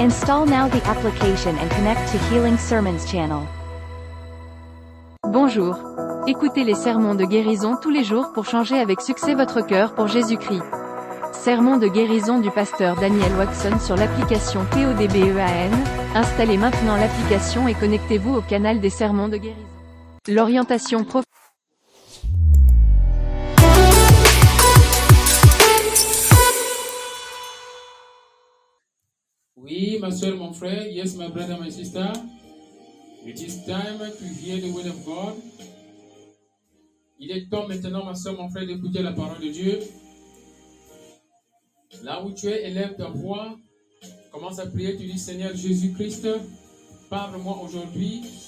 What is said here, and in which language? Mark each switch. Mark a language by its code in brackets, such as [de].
[en] Install now the application and connect to Healing Sermons channel. [fr] Bonjour. Écoutez les sermons de guérison tous les jours pour changer avec succès votre cœur pour Jésus-Christ. Sermon de guérison du pasteur Daniel Watson sur l'application PODBEAN. Installez maintenant l'application et connectez-vous au canal des sermons de guérison. L'orientation prof. Oui, ma soeur, mon frère. [en] Yes, my brother, my sister. It is time to hear the word of God. [fr] Il est temps maintenant, ma soeur, mon frère, d'écouter la parole de Dieu. Là où tu es, élève ta voix. Commence à prier. Tu dis, Seigneur Jésus-Christ, parle-moi aujourd'hui.